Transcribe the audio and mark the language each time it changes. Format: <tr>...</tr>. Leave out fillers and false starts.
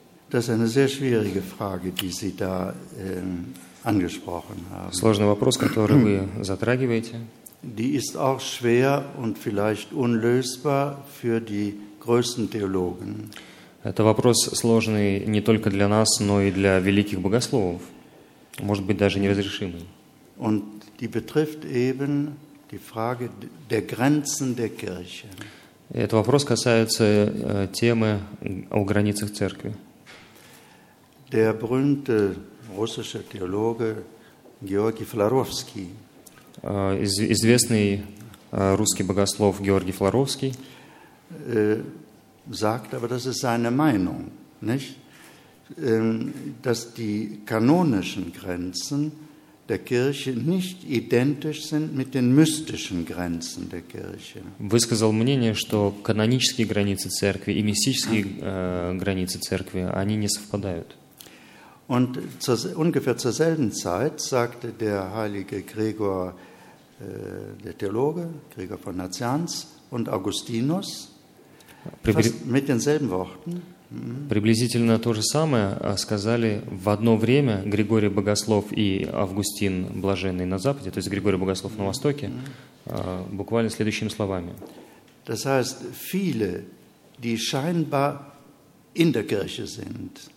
<de>Das ist eine sehr schwierige Frage, die Sie da angesprochen haben.</de> <ru>Сложный вопрос, который вы затрагиваете.</ru> <de>Die ist auch schwer und vielleicht unlösbar für die größten Theologen.</de> <ru>Это вопрос сложный не только для нас, но и для великих богословов. Может быть, даже неразрешимый.</ru> <de>Und die betrifft eben die Frage der Grenzen der Kirche.</de> <ru>Этот вопрос касается темы о границах церкви.</ru> <de>Der berühmte russische Theologe Georgi Florovsky.</de> <ru>Известный русский богослов Георгий Флоровский.</ru> <de>Sagt, aber das ist seine Meinung, nicht? Dass die kanonischen Grenzen der Kirche nicht identisch sind mit den mystischen Grenzen der Kirche.</de> <ru>Высказал мнение, что канонические границы церкви и мистические границы церкви, они не совпадают.</ru> <de>Und ungefähr zur selben Zeit sagte der heilige Gregor, der Theologe, Gregor von Nazianz und Augustinus, mit denselben Worten.</de> <ru>Приблизительно то же самое сказали в одно время Григорий Богослов и Августин Блаженный на Западе, то есть Григорий Богослов на Востоке, буквально следующими словами.</ru> <de>Das heißt, viele, die scheinbar in der Kirche sind,</de>